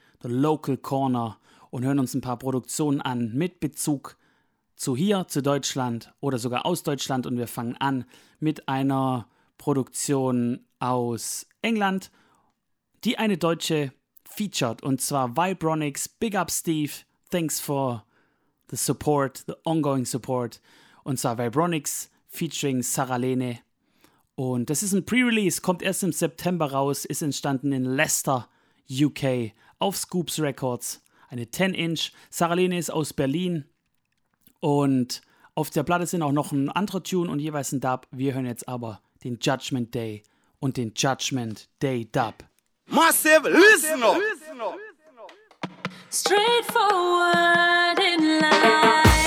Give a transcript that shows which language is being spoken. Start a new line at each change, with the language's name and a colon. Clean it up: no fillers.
German: The Local Corner und hören uns ein paar Produktionen an mit Bezug zu hier, zu Deutschland oder sogar aus Deutschland. Und wir fangen an mit einer Produktion aus England, die eine Deutsche featured, und zwar Vibronix.
English: Big up Steve, thanks for the support, the ongoing support.
German: Und zwar Vibronix featuring Sarah Lene. Und das ist ein Pre-Release, kommt erst im September raus, ist entstanden in Leicester, UK, auf Scoops Records, eine 10-Inch. Sarah Lene ist aus Berlin und auf der Platte sind auch noch ein anderer Tune und jeweils ein Dub. Wir hören jetzt aber den Judgment Day und den Judgment Day Dub.
English: Massive, listen up! Straightforward in life.